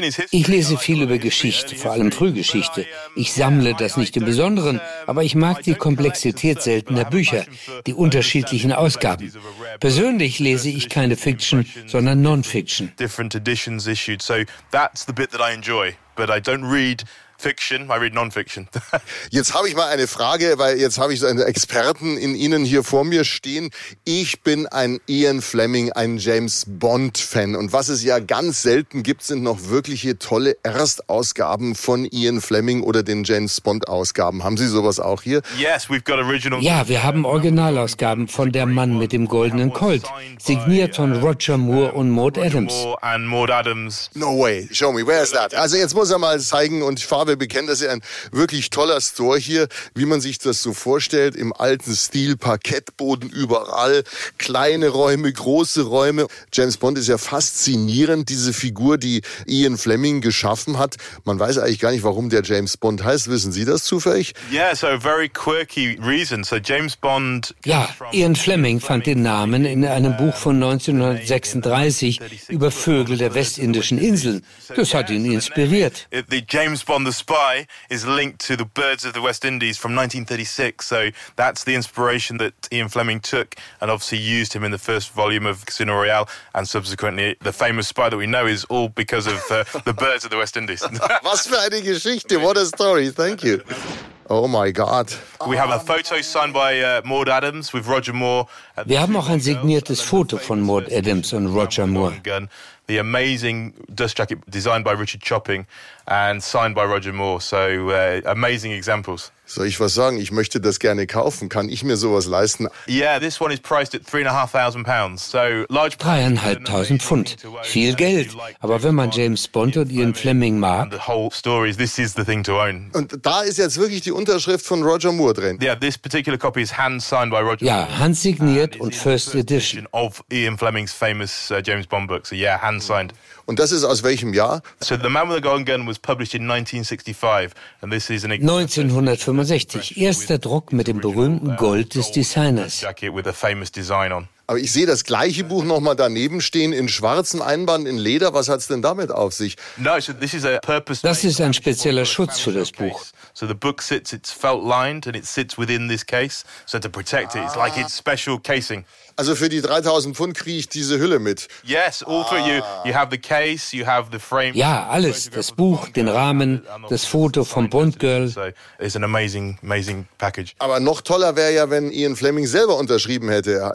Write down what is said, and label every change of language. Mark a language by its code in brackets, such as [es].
[de] Ich lese viel über Geschichte, vor allem Frühgeschichte. Ich sammle das nicht im Besonderen, aber ich mag die Komplexität seltener Bücher, die unterschiedlichen Ausgaben. Persönlich lese ich keine Fiction, sondern Non-Fiction. [en] Different editions issued. So that's the bit that I enjoy, but I don't read Fiction, I read Non-Fiction. [de] Jetzt habe ich mal eine Frage, weil jetzt habe ich so einen Experten in Ihnen hier vor mir stehen. Ich bin ein Ian Fleming, ein James-Bond-Fan. Und was es ja ganz selten gibt, sind noch wirkliche tolle Erstausgaben von Ian Fleming oder den James-Bond-Ausgaben. Haben Sie sowas auch hier? [en] Yes, we've got original. [de] Ja, wir haben Originalausgaben von Der Mann mit dem goldenen Colt, signiert von Roger Moore und Maud Adams. [en] No way, show me, where is that? [de] Also jetzt muss er mal zeigen und fahren. Wir bekennen, das ist ein wirklich toller Store hier, wie man sich das so vorstellt, im alten Stil, Parkettboden überall, kleine Räume, große Räume. James Bond ist ja faszinierend, diese Figur, die Ian Fleming geschaffen hat. Man weiß eigentlich gar nicht, warum der James Bond heißt. Wissen Sie das zufällig? [en] Yeah, so a very quirky reason. So James Bond. [de] Ja, Ian Fleming fand den Namen in einem Buch von 1936 über Vögel der westindischen Inseln. Das hat ihn inspiriert. [en] James Bond the spy is linked to the birds of the West Indies from 1936, so that's the inspiration that Ian Fleming took and obviously used him in the first volume of Casino Royale, and subsequently the famous spy that we know is all because of the birds of the West Indies. [de] Was für eine Geschichte, [en] what a story, thank you. Oh my God. We have a photo signed by Maud Adams with Roger Moore. Wir haben auch ein signiertes Foto von Maud Adams und Roger Moore. The amazing dust jacket designed by Richard Chopping and signed by Roger Moore. So amazing examples. [de] Soll ich was sagen? Ich möchte das gerne kaufen. Kann ich mir sowas leisten? [en] Yeah, this one is priced at £3,500. So large. [de] 3,500 Pfund. Viel Geld. Aber wenn man James Bond und Ian Fleming mag. [en] The whole story is this is the thing to own. [de] Und da ist jetzt wirklich die Unterschrift von Roger Moore drin. [en] Yeah, this particular copy is hand signed by Roger. [de] Ja, handsigniert und [en] first edition of Ian Fleming's famous James Bond book. So yeah, hand signed. [de] Und das ist aus welchem Jahr? [en] So The Man with the Golden Gun was published in 1965, and this is an 1965. [de] Erster Druck mit dem berühmten Gold des Designers. [en] Jacket with a famous design on. [de] Aber ich sehe das gleiche Buch nochmal daneben stehen, in schwarzem Einband, in Leder. Was hat es denn damit auf sich? Das ist ein spezieller Schutz für das Buch. [en] So the book sits, it's felt lined and it sits within this case. So to protect it, it's like its special casing. [de] Also für die 3000 Pfund kriege ich diese Hülle mit. [en] Yes, all for you. You have the case, you have the frame. [de] Ja, alles. Das Buch, den Rahmen, das Foto vom Bond Girl. [en] So it's an amazing, amazing package. [de] Aber noch toller wäre ja, wenn Ian Fleming selber unterschrieben hätte.